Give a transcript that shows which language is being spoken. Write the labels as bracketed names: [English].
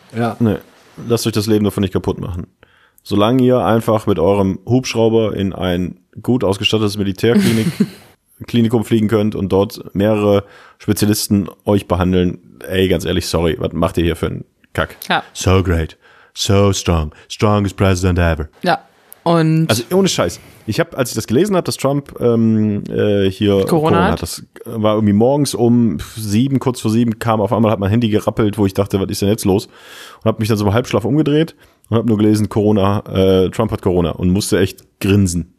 [German] Ja. Nee, lasst euch das Leben davon nicht kaputt machen. Solange ihr einfach mit eurem Hubschrauber in ein gut ausgestattetes Militärklinikum fliegen könnt und dort mehrere Spezialisten euch behandeln, ey, ganz ehrlich, sorry, was macht ihr hier für einen Kack? Ja. [English] So great, so strong, strongest president ever. [German] Ja, und also ohne Scheiß, ich habe, als ich das gelesen habe, dass Trump hier Corona hat, das war irgendwie morgens um 7, kurz vor 7 kam, auf einmal hat mein Handy gerappelt, wo ich dachte, was ist denn jetzt los? Und habe mich dann so im Halbschlaf umgedreht. Und hab nur gelesen, Corona, Trump hat Corona und musste echt grinsen.